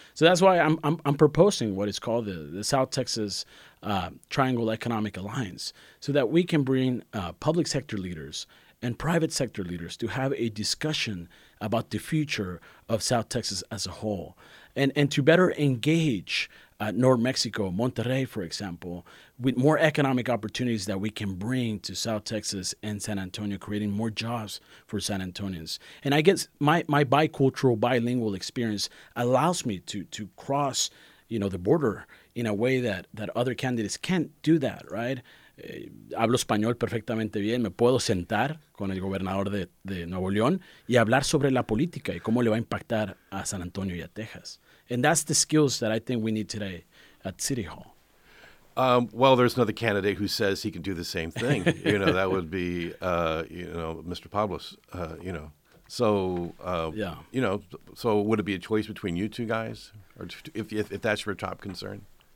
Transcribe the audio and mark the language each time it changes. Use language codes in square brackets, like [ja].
[en] So that's why I'm proposing what is called the South Texas Triangle Economic Alliance, so that we can bring public sector leaders and private sector leaders to have a discussion about the future of South Texas as a whole, and to better engage North Mexico, Monterrey, for example, with more economic opportunities that we can bring to South Texas and San Antonio, creating more jobs for San Antonians. And I guess my bicultural, bilingual experience allows me to cross, you know, the border in a way that other candidates can't do that, right? [es] Hablo español perfectamente bien. Me puedo sentar con el gobernador de Nuevo León y hablar sobre la política y cómo le va a impactar a San Antonio y a Texas. [en] And that's the skills that I think we need today at City Hall. Well, there's another candidate who says he can do the same thing. You know, that would be, Mr. Pablos, you know. So, yeah. You know, so would it be a choice between you two guys, or if that's your top concern?